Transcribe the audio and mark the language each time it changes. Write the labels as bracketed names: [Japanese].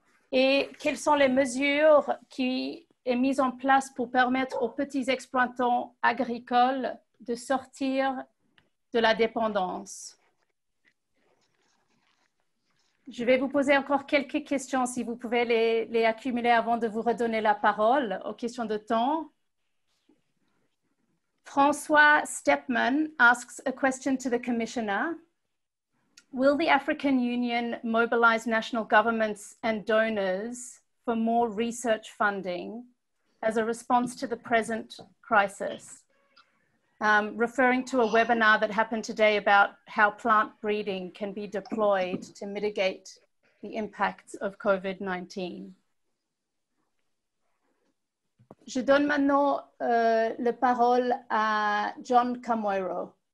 [French] Et quelles sont les mesures qui sont mises en place pour permettre aux petits exploitants agricoles de sortir de la dépendance? Je vais vous poser encore quelques questions, si vous pouvez les accumuler avant de vous redonner la parole, aux questions de temps. [English] François Stepman asks a question to the commissioner. Will the African Union mobilize national governments and donors for more research funding as a response to the present crisis? Referring to a webinar that happened today about how plant breeding can be deployed to mitigate the impacts of COVID-19. [French] Je donne maintenant la parole à John Kamwairo.